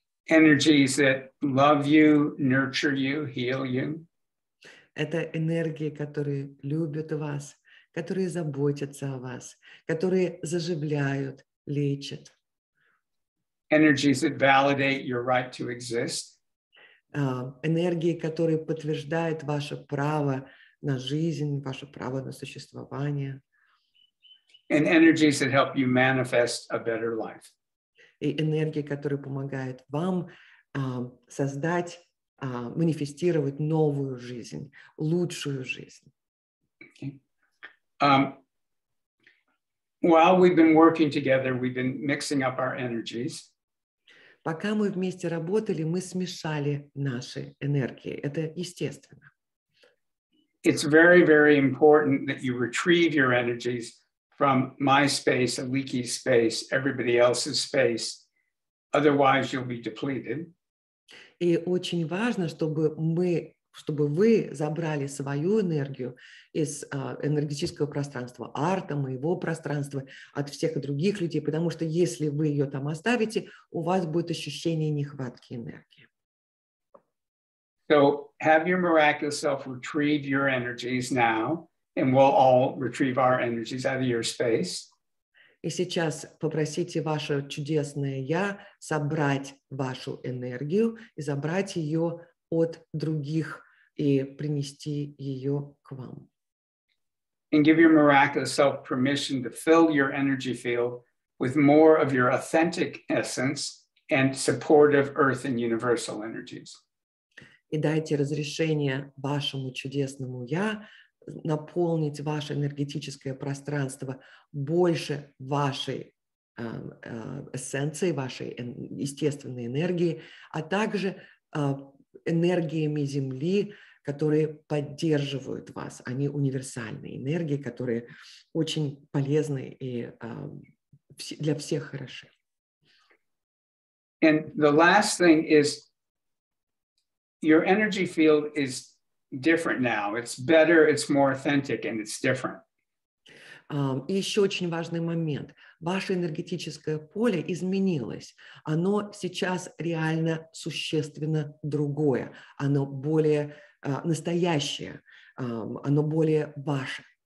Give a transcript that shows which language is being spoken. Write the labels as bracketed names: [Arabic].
[English] Energies that love you, nurture you, heal you. [Russian] Это энергии, которые любят вас, которые заботятся о вас, которые заживляют, лечат. [English] Energies that validate your right to exist. [Russian] Энергии, которые подтверждают ваше право на жизнь, ваше право на существование. [English] And energies that help you manifest a better life. [Russian] И энергии, которые помогают вам создать, манифестировать новую жизнь, лучшую жизнь. [English] Okay. While we've been working together, we've been mixing up our energies. [Russian] Пока мы вместе работали, мы смешали наши энергии. Это естественно. [English] It's very, very important that you retrieve your energies from my space, a leaky space, everybody else's space. Otherwise, you'll be depleted. [Russian] И очень важно, чтобы вы забрали свою энергию из энергетического пространства Арта, моего пространства, от всех других людей, потому что если вы ее там оставите, у вас будет ощущение нехватки энергии. [English] So have your miraculous self retrieve your energies now, and we'll all retrieve our energies out of your space. [Russian] И сейчас попросите ваше чудесное «Я» собрать вашу энергию и забрать ее от других и принести ее к вам. [English] And give your miraculous self permission to fill your energy field with more of your authentic essence and supportive earth and universal energies. [Russian] И дайте разрешение вашему чудесному «Я» наполнить ваше энергетическое пространство больше вашей эссенцией, вашей естественной энергии, а также энергиями Земли, которые поддерживают вас. Они универсальные энергии, которые очень полезны и для всех хороши. [English] And the last thing is, your energy field is different now. It's better, it's more authentic, and it's different. [Russian] И еще очень важный момент. Ваше энергетическое поле изменилось. Оно сейчас реально существенно другое. Оно более настоящее. Оно более ваше.